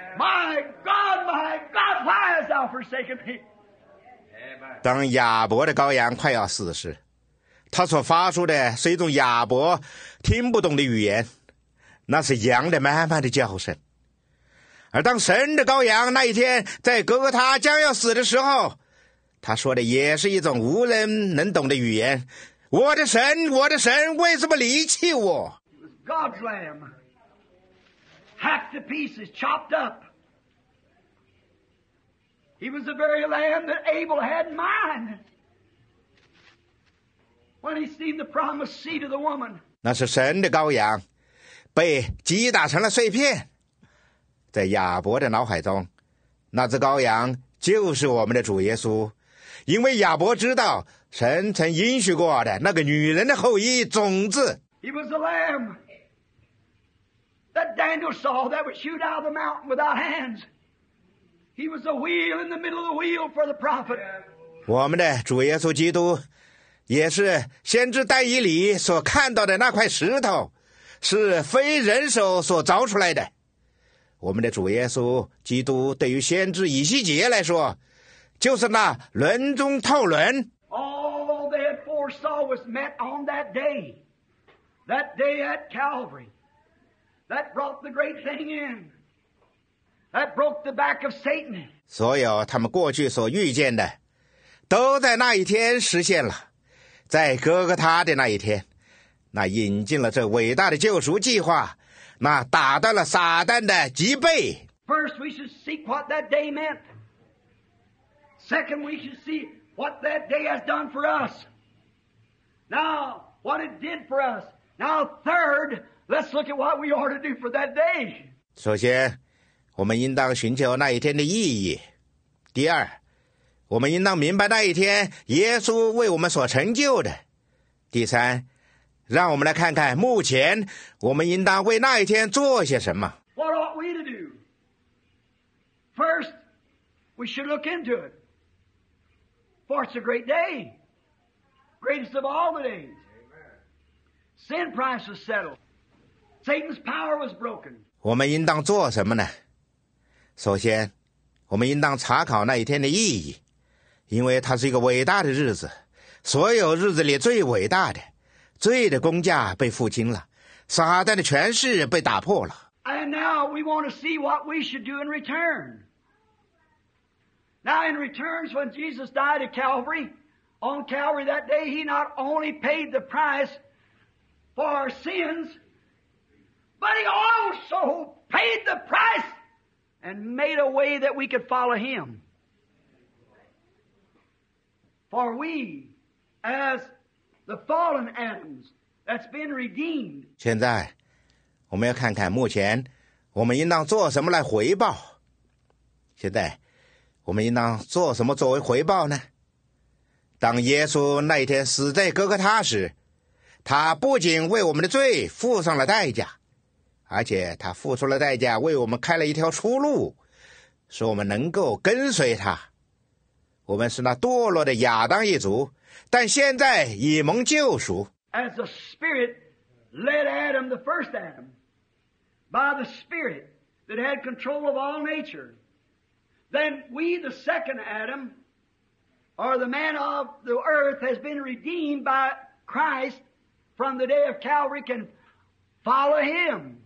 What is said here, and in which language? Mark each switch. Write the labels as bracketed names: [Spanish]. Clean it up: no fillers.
[English] My God, why hast thou forsaken me? [Chinese] 当亚伯的羔羊快要死时，他所发出的是一种亚伯听不懂的语言，那是羊的慢慢的叫声。而当神的羔羊那一天在哥哥他将要死的时候，他说的也是一种无人能懂的语言：我的神，我的神，为什么离弃我？ [English] God's lamb. Hacked to pieces, chopped up. He was the very lamb that Abel had in mind when he seen the promised seed of the woman. [Chinese] 那是神的羔羊被击打成了碎片，在亚伯的脑海中，那只羔羊就是我们的主耶稣，因为亚伯知道神曾应许过的那个女人的后裔种子。 [English] He was the lamb. That Daniel saw that was shoot out of the mountain without hands. He was the wheel in the middle of the wheel for the prophet. [Chinese] 我们的主耶稣基督也是先知但以理所看到的那块石头，是非人手所凿出来的。我们的主耶稣基督对于先知以西结来说，就是那轮中套轮。 [English] All they had foresaw was met on that day at Calvary, that brought the great thing in, that broke the back of Satan. [Chinese] 所有他们过去所遇见的，都在那一天实现了。在哥哥他的那一天，那引进了这伟大的救赎计划，那打断了撒旦的脊背。 [English] First, we should see what that day meant. Second, we should see what that day has done for us. Now, what it did for us. Now, third, let's look at what we ought to do for that day. [Chinese] 首先，我们应当寻求那一天的意义。第二，我们应当明白那一天耶稣为我们所成就的。第三，让我们来看看目前我们应当为那一天做些什么。 [English] What ought we to do? First, we should look into it. For it's a great day. Greatest of all the days. Sin price was settled. Satan's power was broken. [Chinese] 我们应当做什么呢？首先，我们应当查考那一天的意义。因为它是一个伟大的日子，所有日子里最伟大的，罪的工价被付清了，撒旦的权势被打破了。 [English] And now we want to see what we should do in return. Now in return, when Jesus died at Calvary, on Calvary that day, he not only paid the price for our sins, but he also paid the price and made a way that we could follow him. For we, as the fallen Adams, that's been redeemed. [Chinese] 现在，我们要看看目前，我们应当做什么来回报。现在，我们应当做什么作为回报呢？当耶稣那一天死在哥哥他时，他不仅为我们的罪付上了代价，而且他付出了代价，为我们开了一条出路，使我们能够跟随他。我们是那堕落的亚当一族，但现在已蒙救赎。 [English] As the Spirit led Adam, the first Adam, by the Spirit that had control of all nature, then we, the second Adam, or the man of the earth, has been redeemed by Christ from the day of Calvary, can follow Him.